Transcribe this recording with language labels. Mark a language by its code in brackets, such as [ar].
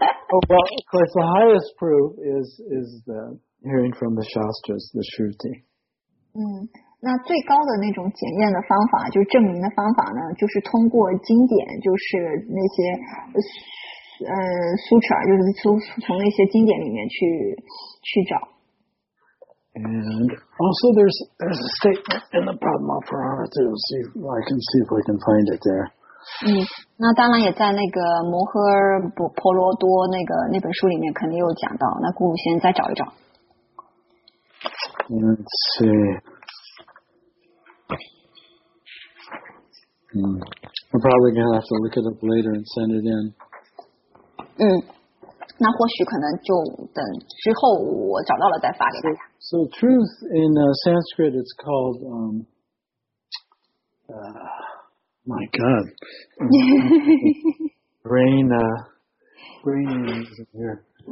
[en] Oh, well, of course, the highest proof is the hearing from the Shastras, the Shruti. [zh] 那最高的那种检验的方法，就是证明的方法呢，就是通过经典，就是那些sutra， 就是从那些经典里面去找。 [en] And also there's a statement in the Padmapurana too. I can see if I can find it there. [zh] 那当然也在那个摩诃婆罗多那本书里面肯定有讲到。那顾鲁先再找一找。 [en] Let's see. I'm probably going to have to look it up later and send it in. [zh] 那或许可能就等之后我找到了再发给大家。 [en] So truth in Sanskrit is called, my God, brain is in here.